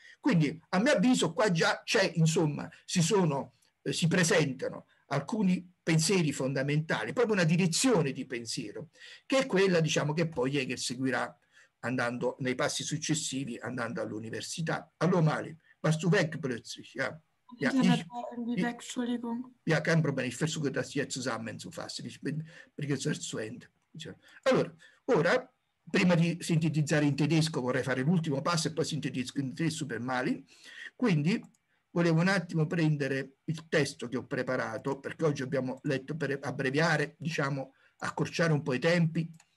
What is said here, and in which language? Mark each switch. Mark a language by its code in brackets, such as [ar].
[it] Quindi, a mio avviso, qua già c'è, insomma, si presentano alcuni pensieri fondamentali, proprio una direzione di pensiero, che è quella, diciamo, che poi Hegel seguirà andando nei passi successivi, andando all'università. [de] Allora, Mali, was du weg plötzlich, ja? Ja, Entschuldigung. Ja, kein Problem, ich versuche das hier zusammenzufassen, ich bin begeistert zu Ende. [it] Allora, ora, prima di sintetizzare in tedesco, vorrei fare l'ultimo passo e poi sintetizzo in tedesco per Mali, quindi volevo un attimo prendere il testo che ho preparato, perché oggi abbiamo letto per abbreviare, diciamo, accorciare un po' i tempi,